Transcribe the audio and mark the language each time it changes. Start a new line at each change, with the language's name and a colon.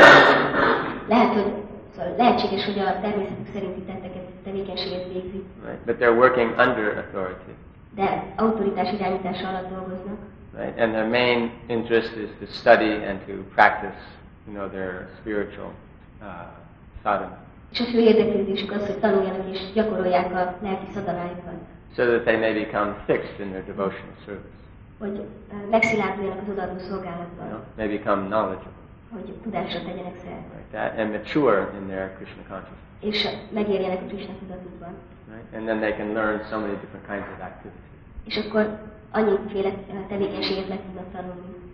English: right, but they're working under authority. right? And their main interest is to study and to practice, you know, their spiritual sadhana.
Hungarian: És a fő érdeklődésük az, hogy tanuljanak és gyakorolják a lelki szadalájukat.
English: So that they may become fixed in their devotional service.
Hungarian: Hogy megszilárduljanak az odaadó szolgálatban.
English: You know, may become knowledgeable.
Hungarian: Hogy tudásra tegyenek szert.
English: Like that, and mature in their Krishna consciousness.
Hungarian: És megérjenek a Krishna tudatukban.
English: Right? And then they can learn so many different kinds of activities.
Hungarian: És akkor annyiféle tevékenységet meg tudnak tanulni.